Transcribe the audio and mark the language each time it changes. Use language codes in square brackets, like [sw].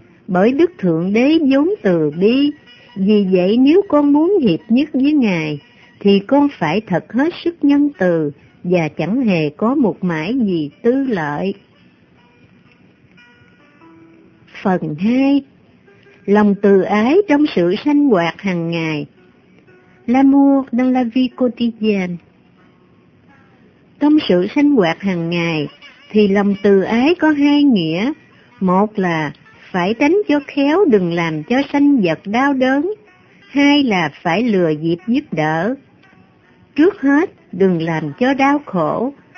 [vi] Bởi Đức Thượng Đế vốn từ bi, vì vậy nếu con muốn hiệp nhất với Ngài, thì con phải thật hết sức nhân từ và chẳng hề có một mãi gì tư lợi. Phần 2. Lòng từ ái trong sự sanh hoạt hàng ngày. [fr] L'amour dans la vie quotidienne. [vi] Trong sự sanh hoạt hàng ngày thì lòng từ ái có hai nghĩa. Một là phải tránh cho khéo đừng làm cho sanh vật đau đớn. Hai là phải lừa dịp giúp đỡ. Trước hết, đừng làm cho đau khổ.